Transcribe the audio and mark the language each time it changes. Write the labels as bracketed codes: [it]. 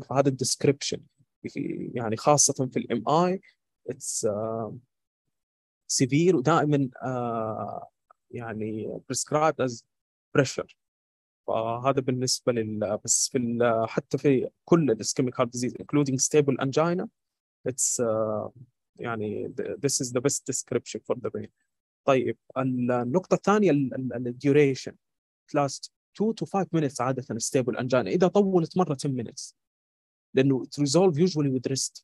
[ar] فهذا الـ description. يعني خاصة في الـ MI, [en] it's severe [ar] ودائماً يعني [en] prescribed as pressure. [ar] فهذا بالنسبة لل بس في ال... حتى في كل الـ [en] ischemic heart disease including stable angina, it's يعني this is the best description for the brain. [ar] طيب النقطة الثانية الـ duration. [en] It lasts 2 to 5 minutes [ar] عادة [en] stable angina. [ar] إذا طولت مرة [en] 10 minutes لأنه it resolve usually with rest.